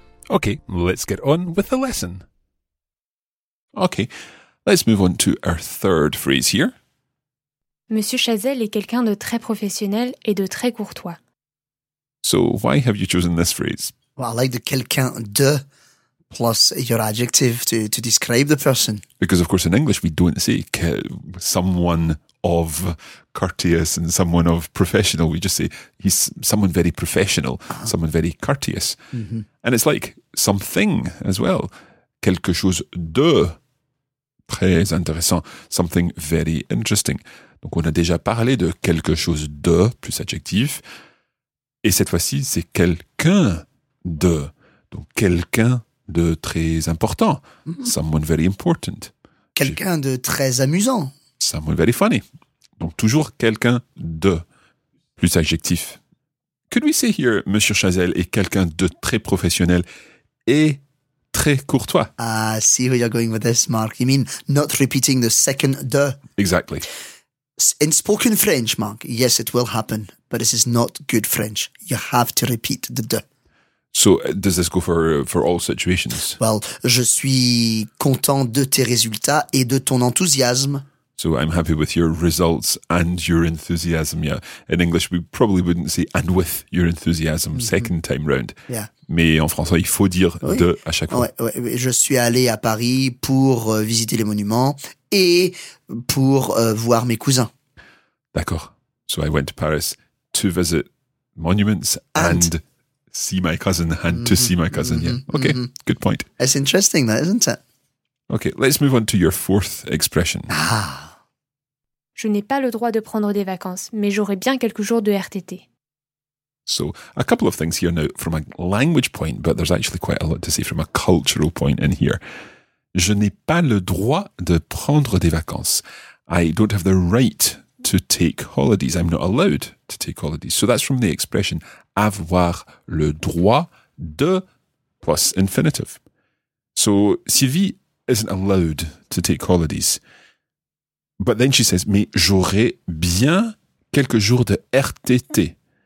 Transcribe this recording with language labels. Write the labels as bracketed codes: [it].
[en] Okay, let's get on with the lesson. Okay, let's move on to our third phrase here. [fr] Monsieur Chazelle est quelqu'un de très professionnel et de très courtois. [en] So, why have you chosen this phrase? Well, I like the quelqu'un de plus your adjective to describe the person. Because, of course, in English we don't say someone of courteous and someone of professional. We just say he's someone very professional, someone very courteous. Mm-hmm. And it's like something as well. [fr] Quelque chose de très intéressant, [en] something very interesting. [fr] Donc on a déjà parlé de quelque chose de plus adjectif. Et cette fois-ci, c'est quelqu'un de. Donc quelqu'un de très important, [en] someone very important. [fr] Quelqu'un de très amusant. [en] Someone very funny. [fr] Donc toujours quelqu'un de plus adjectif. [en] Could we say here, [fr] Monsieur Chazelle est quelqu'un de très professionnel et très courtois. [en] Ah, see where you're going with this, Mark. You mean not repeating the second de. Exactly. In spoken French, Mark, yes, it will happen, but this is not good French. You have to repeat the de. So does this go for all situations? [fr] Well, je suis content de tes résultats et de ton enthousiasme. [en] So I'm happy with your results and your enthusiasm. Yeah. In English, we probably wouldn't say and with your enthusiasm second time round. Yeah. [fr] Mais en français, il faut dire de à chaque fois. Ouais, ouais. Je suis allé à Paris pour visiter les monuments et pour voir mes cousins. D'accord. [en] So I went to Paris to visit monuments and see my cousin and to see my cousin. Mm-hmm. Yeah. Okay. Mm-hmm. Good point. It's interesting, that, isn't it? Okay, let's move on to your fourth expression. Ah. [fr] Je n'ai pas le droit de prendre des vacances, mais j'aurai bien quelques jours de RTT. [en] So, a couple of things here now from a language point, but there's actually quite a lot to say from a cultural point in here. [fr] Je n'ai pas le droit de prendre des vacances. [en] I don't have the right to take holidays. I'm not allowed to take holidays. So that's from the expression avoir le droit de plus infinitive. So, Sylvie isn't allowed to take holidays. But then she says, [fr] mais j'aurai bien quelques jours de RTT.